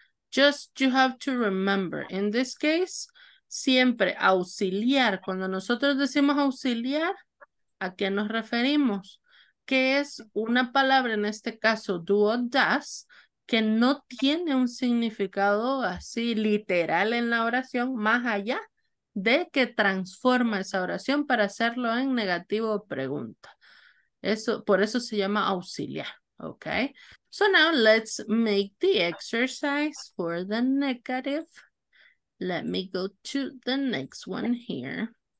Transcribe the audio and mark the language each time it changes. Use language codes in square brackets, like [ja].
[en] Just you have to remember, in this case, [es] siempre auxiliar. Cuando nosotros decimos auxiliar, ¿a qué nos referimos? Que es una palabra, en este caso, do or does, que no tiene un significado así literal en la oración, más allá de que transforma esa oración para hacerlo en negativo o pregunta. Eso, por eso se llama auxiliar, ¿ok? [en] So now let's make the exercise for the negative. Let me go to the next one here.